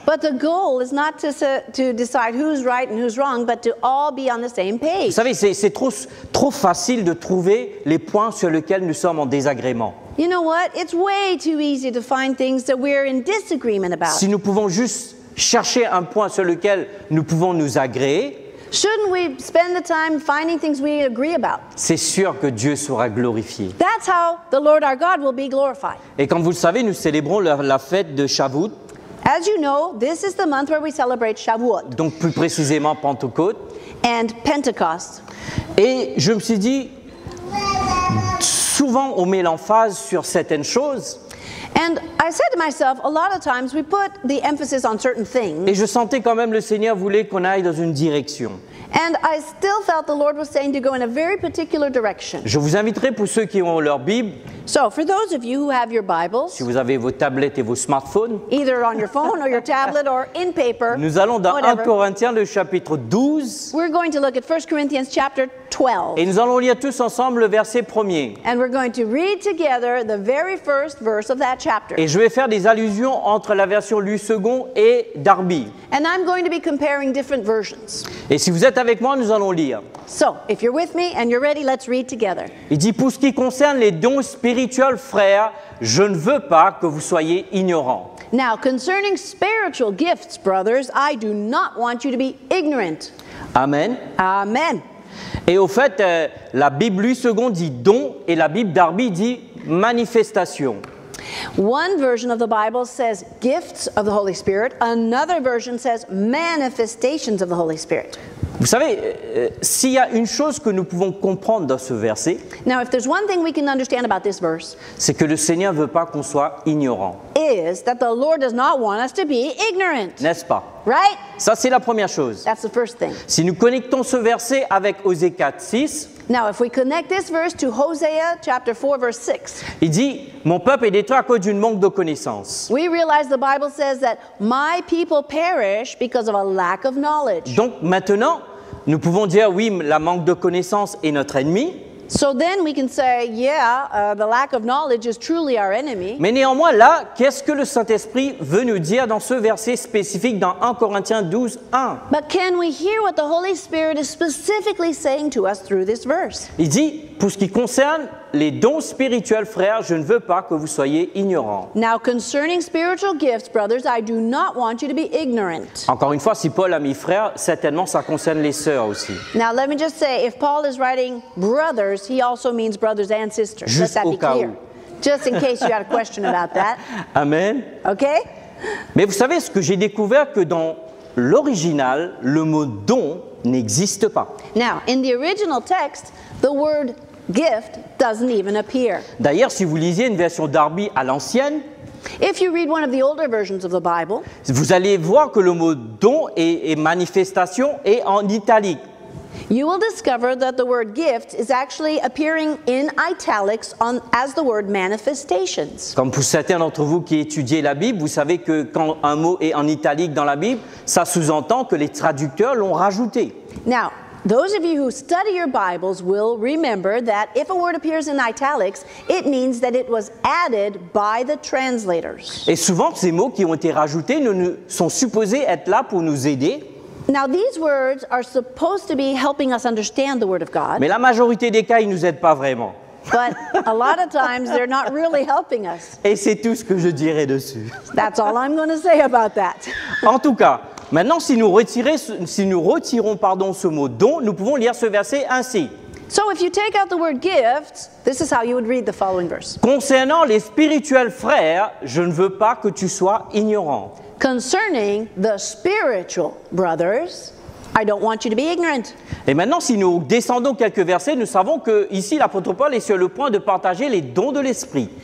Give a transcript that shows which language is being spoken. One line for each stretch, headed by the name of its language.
English: But the goal is not to decide who's right and who's wrong, but to all be on the same page.
French: Vous savez, c'est trop facile de trouver les points sur lesquels nous sommes en désagrément.
English: You know what? It's way too easy to find things that we're in disagreement about.
French: Si nous pouvons juste chercher un point sur lequel nous pouvons nous agréer,
English: shouldn't we spend the time finding things we agree about?
French: C'est sûr que Dieu sera glorifié.
English: That's how the Lord our God will be glorified.
French: Et comme vous le savez, nous célébrons la fête de Shavuot.
English: As you know, this is the month where we celebrate Shavuot.
French: Donc plus précisément Pentecôte.
English: And Pentecost.
French: Et je me suis dit, souvent on met l'emphase sur certaines choses.
English: And I said to myself, a lot of times we put the emphasis on certain things.
French: Et je sentais quand même le Seigneur voulait qu'on aille dans une direction.
English: And I still felt the Lord was saying to go in a very particular direction.
French: Je vous inviterai pour ceux qui ont leur Bible.
English: So, for those of you who have your Bibles,
French: si vous avez vos tablettes et vos smartphones,
English: either on your phone or your tablet or in paper,
French: nous allons dans 1 Corinthiens le chapitre 12.
English: We're going to look at 1 Corinthians chapter 12.
French: Et nous allons lire tous ensemble le verset premier.
English: And we're going to read together the very first verse of that chapter.
French: Et je vais faire des allusions entre la version Louis Segond et Darby.
English: And I'm going to be comparing different versions.
French: Et si vous êtes avec moi, nous allons lire.
English: So, if you're with me and you're ready, let's read together.
French: Il dit, pour ce qui concerne les dons spirituels, frères, je ne veux pas que vous soyez ignorants.
English: Now, concerning spiritual gifts, brothers, I do not want you to be ignorant. Amen. Amen.
French: Et au fait, la Bible Louis Segond dit don et la Bible Darby dit manifestation.
English: One version of the Bible says gifts of the Holy Spirit. Another version says manifestations of the Holy Spirit.
French: Vous savez, s'il y a une chose que nous pouvons comprendre dans ce verset,
English: now, if there's one thing we can understand about this verse,
French: c'est que le Seigneur ne veut pas qu'on soit ignorant.
English: Is that the Lord does not want us to be ignorant.
French: N'est-ce pas?
English: Right?
French: Ça, c'est la première chose.
English: That's the first thing.
French: Si nous connectons ce verset avec Osée 4, 6,
English: now, if we connect this verse to Hosea chapter 4, verse 6,
French: il dit, mon peuple est détruit à cause d'une manque de connaissance.
English: We realize the Bible says that my people perish because of a lack of knowledge.
French: Donc, maintenant, nous pouvons dire, oui, la manque de connaissance est notre ennemi.
English: So then we can say, yeah, the lack of knowledge is truly our enemy.
French: Mais néanmoins, là, qu'est-ce que le Saint-Esprit veut nous dire dans ce verset spécifique dans 1 Corinthiens 12, 1?
English: But can we hear what the Holy Spirit is specifically saying to us through this verse?
French: Il dit, pour ce qui concerne les dons spirituels, frères, je ne veux pas que vous soyez ignorants.
English: Now, concerning spiritual gifts, brothers, I do not want you to be ignorant.
French: Encore une fois, si Paul a mis frères, certainement ça concerne les sœurs aussi.
English: Now, let me just say, if Paul is writing brothers, he also means brothers and sisters.
French: Juste
English: let that
French: au
English: be
French: cas
English: clear.
French: Où.
English: Just in case you had a question about that. Amen. Okay?
French: Mais vous savez, ce que j'ai découvert, que dans l'original, le mot don n'existe pas.
English: Now, in the original text, the word gift doesn't even appear.
French: D'ailleurs, si vous lisez une version Darby à l'ancienne,
English: if you read one of the older versions of the Bible,
French: vous allez voir que le mot don et manifestation est en italique.
English: You will discover that the word gift is actually appearing in italics on, as the word manifestations.
French: Comme pour certains d'entre vous qui étudiez la Bible, vous savez que quand un mot est en italique dans la Bible, ça sous-entend que les traducteurs l'ont rajouté.
English: Now, those of you who study your Bibles will remember that if a word appears in italics, it means that it was added by the translators.
French: Et souvent, ces mots qui ont été rajoutés sont supposés être là pour nous aider.
English: Now, these words are supposed to be helping us understand the Word of God.
French: Mais la majorité des cas, ils nous aident pas vraiment.
English: But a lot of times, they're not really helping us.
French: Et c'est tout ce que je dirai dessus.
English: That's all I'm going to say about that.
French: En tout cas, maintenant, si nous retirons ce mot don, nous pouvons lire ce verset ainsi.
English: So if you take out the word gift, this is how you would read the following verse.
French: Concernant les spirituels frères, je ne veux pas que tu sois ignorant.
English: Concerning the spiritual brothers, I don't want you to be ignorant.
French: Et maintenant, si nous descendons quelques versets, nous savons que ici l'apôtre Paul est sur le point de partager les dons de l'esprit.